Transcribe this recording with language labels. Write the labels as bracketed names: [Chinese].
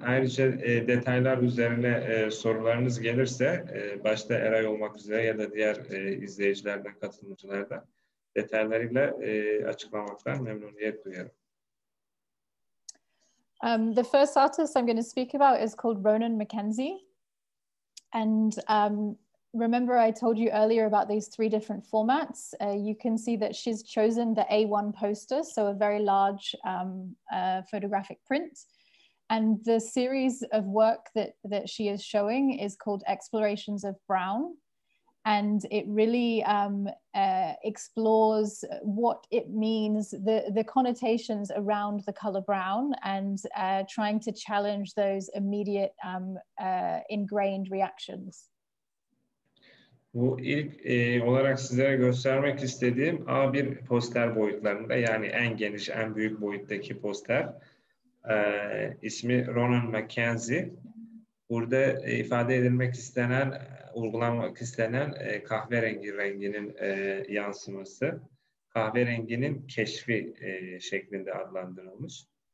[Turkish] Ayrıca detaylar üzerine sorularınız gelirse, başta Eray olmak üzere ya da diğer izleyicilerden, katılımcılardan detaylarıyla açıklamaktan memnuniyet duyarım. [English] The first artist I'm going to speak about is called Ronan McKenzie. And remember I told you earlier about these three different formats. You can see that she's chosen the A1 poster, so a very large photographic print. And the series of work that she is showing is called Explorations of Brown. And it really explores what it means, the connotations around the color brown, and trying to challenge those immediate ingrained reactions. [Turkish] Bu ilk olarak sizlere göstermek istediğim A1 poster boyutlarında, yani en geniş, en büyük boyuttaki poster. İsmi Ronan McKenzie. Burada ifade edilmek istenen, uygulanmak istenen kahverengi renginin yansıması, kahverenginin keşfi şeklinde adlandırılmış.